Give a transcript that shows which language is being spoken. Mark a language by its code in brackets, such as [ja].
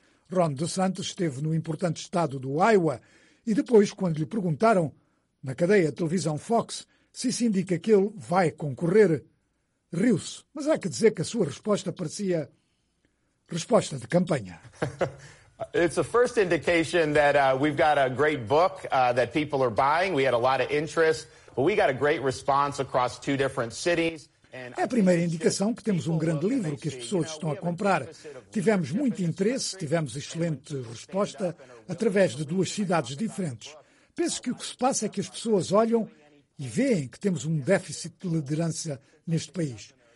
[pt] Ron DeSantis esteve no importante estado do Iowa e depois, quando lhe perguntaram, na cadeia de televisão Fox, se isso indica que ele vai concorrer, riu-se. Mas há que dizer que a sua resposta parecia resposta de campanha. [en] It's a first indication that we've got a great book that people are buying. We had a lot of interest, but we got a great response across two different cities. [pt] É a primeira indicação que temos um grande livro que as pessoas estão a comprar. Tivemos muito interesse, tivemos excelente resposta através de duas cidades diferentes. Penso que o que se passa é que as pessoas olham e veem que temos um déficit de liderança neste país.